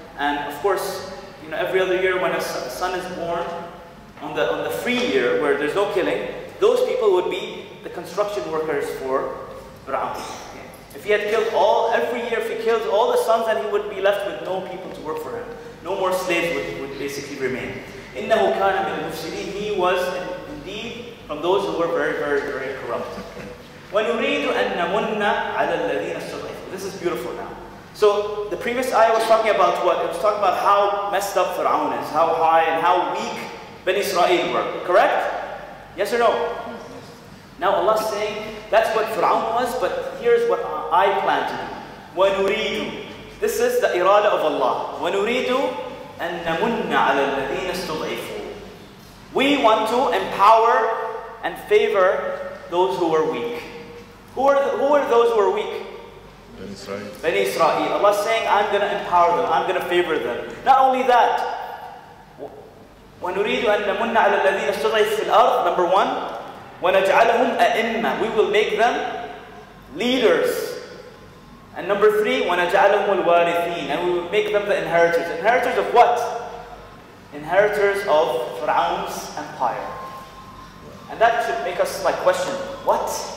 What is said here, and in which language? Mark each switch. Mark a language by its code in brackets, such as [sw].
[en] And of course, you know, every other year when a son is born, on the free year where there's no killing, those people would be the construction workers for Fir'aun. If he had killed all, every year if he killed all the sons, then he would be left with no people to work for him. No more slaves would basically remain. [ar] إِنَّهُ كَانَ مِنْ الْمُفْسِدِينَ [en] He was indeed from those who were very, very, very corrupt. [ar] وَنُرِيدُ أَن نَمُنَّ عَلَى الَّذِينَ اسْتُضْعِفُوا [en] This is beautiful now. So the previous ayah was talking about what? It was talking about how messed up Fir'aun is, how high and how weak Ben Israel were. Correct? Yes or no? Now Allah's saying, that's what Fir'aun was, but here's what I plan to do. وَنُرِيدُ This is the irada of Allah. [ar] وَنُرِيدُ أَن نَمُنَّ عَلَى الَّذِينَ اسْتُضْعِفُوا [en] We want to empower and favor those who were weak. Who are those who are weak? Ben Israel. Ben Israel. Allah is saying, I'm going to empower them. I'm going to favor them. Not only that. [ar] وَنُرِيدُ أَن نَمُنَّ عَلَى الَّذِينَ اسْتُضْعِفُوا فِي الْأَرْضِ [en] Number one. [ar] وَنَجْعَلَهُمْ أَئِمَّةً [en] We will make them leaders. And number three, [ar] وَنَجْعَلَهُمُ الْوَارِثِينَ [en] And we will make them the inheritors. Inheritors of what? Inheritors of Fir'aun's empire. And that should make us like question, what?